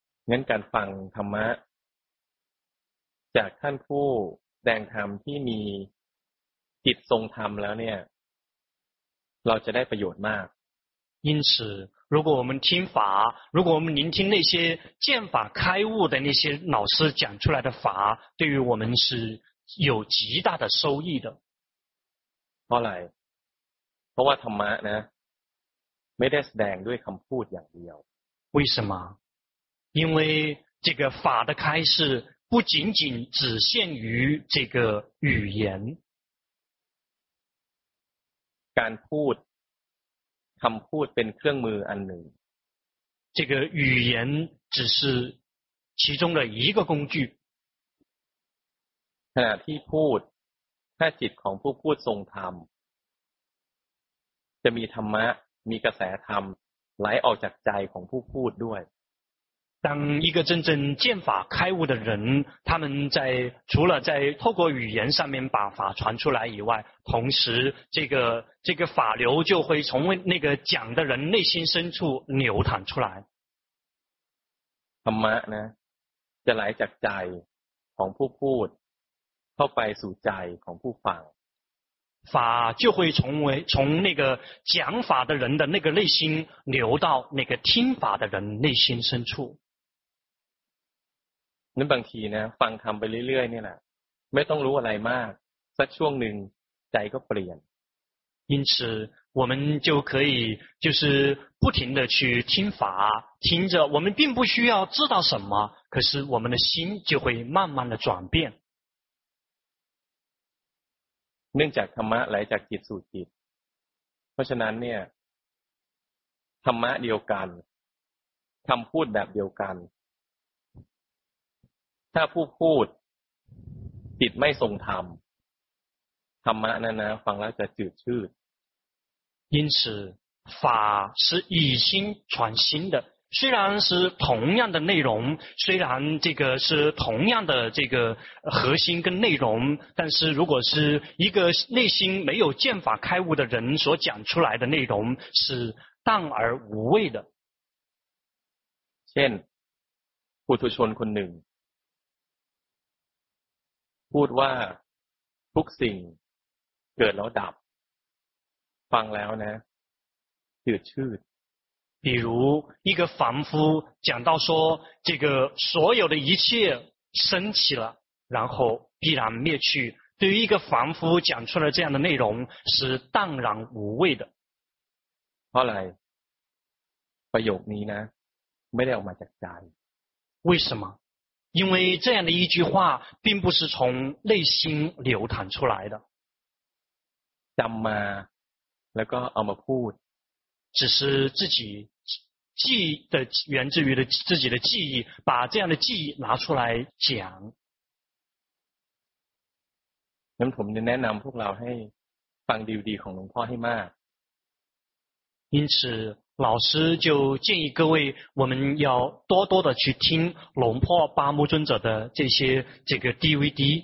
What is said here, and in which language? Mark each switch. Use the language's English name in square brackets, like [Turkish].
[Thai] งั้นการฟังธรรมะจากท่านผู้แสดงธรรมที่มีจิตทรงธรรมแล้วเนี่ยเราจะได้ประโยชน์มาก [Chinese] 因此如果我们听法如果我们聆听那些见法开悟的那些老师讲出来的法对于我们是有极大的收益的 [Thai] เพราะอะไรเพราะว่าธรรมะนะไม่ได้แสดงด้วยคำพูดอย่างเดียว [Chinese] 为什么因为这个法的开示不仅仅只限于这个语言 [Thai] การพูดคำพูดเป็นเครื่องมืออันหนึ่ง [Chinese] 这个语言只是其中的一个工具 [Thai] ขณะที่พูดถ้าจิตของผู้พูดทรงธรรมจะมีธรรมะมีกระแสธรรมไหลออกจากใจของผู้พูดด้วย [Chinese] 当一个真正见法开悟的人，他们在除了在透过语言上面把法传出来以外，同时这个法流就会从那个讲的人内心深处流淌出来。 [Thai] ธรรมะนะจะไหลจากใจของผู้พูดเข้าไปสู่ใจของผู้ฟัง。 [Chinese] 法就会从那个讲法的人的那个内心流到那个听法的人内心深处。 [Thai] 那บางทีนะฟังธรรมไปเรื่อยๆนี่แหละไม่ต้องรู้อะไรมากสักช่วงหนึ่งใจก็เปลี่ยน。 [Chinese] 因此我们就可以就是不停的去听法，听着我们并不需要知道什么，可是我们的心就会慢慢的转变。 [Thai] เนื่องจากธรรมะไหลจากจิตสู่จิตเพราะฉะนั้นเนี่ยธรรมะเดียวกันคำพูดแบบเดียวกันถ้าผู้พูดจิตไม่ทรงธรรมธรรมะนั้นนะฟังแล้วจะจืดชืด [Chinese] 因此法是以心传心的，虽然是同样的内容，虽然这个是同样的这个核心跟内容，但是如果是一个内心没有见法开悟的人所讲出来的内容是淡而无味的。 [Thai] เช่นปุถุชนคนหนึ่งพูดว่าทุกสิ่งเกิดแล้วดับฟังแล้วนะจืดชืด [Chinese] 比如一个凡夫讲到说这个所有的一切升起了然后必然灭去对于一个凡夫讲出了这样的内容是荡然无味的后来 [Thai] ประโยคนี้นะไม่ได้ออกมาจากใจ [Chinese] 为什么因为这样的一句话并不是从内心流淌出来的 [Thai] จำมาแล้วก็เอามาพูด [Chinese] 只是自己记的源自于的自己的记忆把这样的记忆拿出来讲 [Thai] งั้นผมจะแนะนำพวกเราให้ฟังดีๆของหลวงพ่อให้มาก [Chinese] 因此老师就建议各位我们要多多的去听龙破八木尊者的这个 DVD